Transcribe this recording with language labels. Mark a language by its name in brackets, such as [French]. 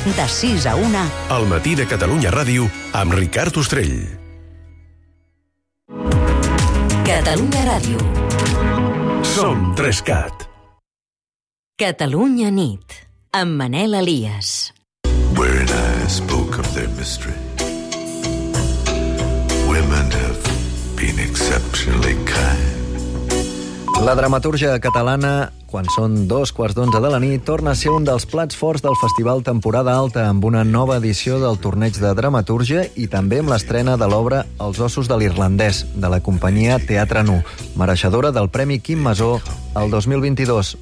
[Catalan] De 6 a 1. Al matí de Catalunya Ràdio, amb Ricard Ostrell. Catalunya Ràdio. Som 3CAT. Catalunya Nit, amb Manel Elias. [English] When I spoke of their mystery, women have been exceptionally kind. [Catalan] La dramaturgia catalana, quan són 2:15 de la nit, torna a ser un dels plats forts del Festival Temporada Alta amb una nova edició del torneig de dramaturgia i també amb l'estrena de l'obra Els ossos de l'irlandès, de la companyia Teatre Nu, mereixedora del Premi Quim Masó el 2022.